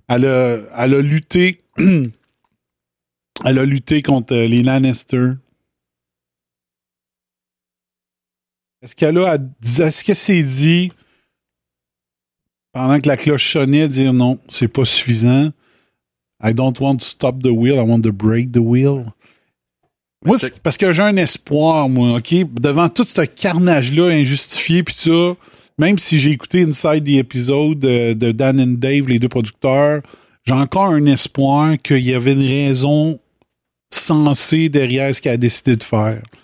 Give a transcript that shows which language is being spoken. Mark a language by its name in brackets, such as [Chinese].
[French] Elle a lutté contre les Lannister. Est-ce qu'elle s'est dit, pendant que la cloche sonnait, dire non, c'est pas suffisant. [English] I don't want to stop the wheel, I want to break the wheel. [French] Moi, c'est parce que j'ai un espoir, moi, OK? Devant tout ce carnage-là injustifié, puis ça, même si j'ai écouté Inside the Episode de Dan and Dave, les deux producteurs, j'ai encore un espoir qu'il y avait une raison sensée derrière ce qu'elle a décidé de faire.